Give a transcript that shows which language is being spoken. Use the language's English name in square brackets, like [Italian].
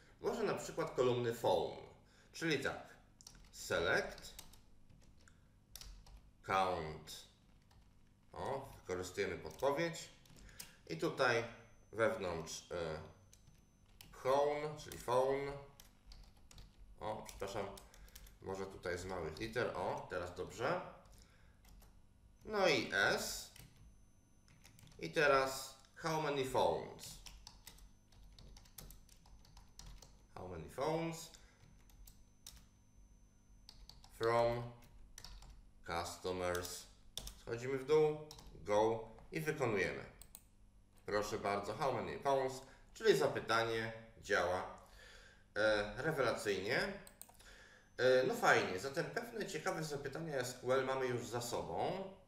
[Polish] Może na przykład kolumny phone, czyli tak, select, count, o, wykorzystujemy podpowiedź i tutaj wewnątrz phone, czyli phone, o, przepraszam, może tutaj z małych liter, o, teraz dobrze, no i S i teraz [English] how many phones. How many phones from customers. [Polish] Schodzimy w dół, go i wykonujemy. Proszę bardzo, [English] how many phones, [Polish] czyli zapytanie działa rewelacyjnie. No fajnie, zatem pewne ciekawe zapytania SQL mamy już za sobą.